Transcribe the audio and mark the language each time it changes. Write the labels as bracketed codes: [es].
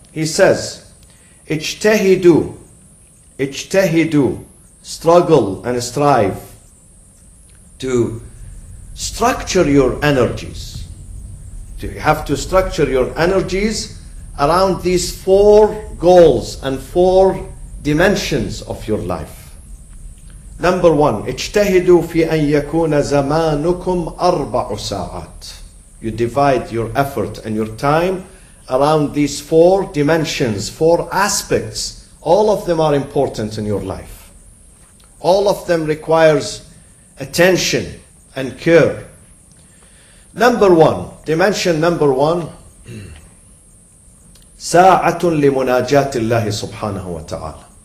[en] He says, [ar] ijtahidu, ijtahidu, [en] struggle and strive to structure your energies. You have to structure your energies around these four goals and four dimensions of your life. Number one, [ar] اجتهدوا في أن يكون زمانكم أربع ساعات. [en] You divide your effort and your time around these four dimensions, four aspects. All of them are important in your life. All of them requires attention and care. Number one, dimension number one, [ar] سَاعَةٌ لِمُنَاجَاتِ اللَّهِ سُبْحَانَهُ وَتَعَالَى.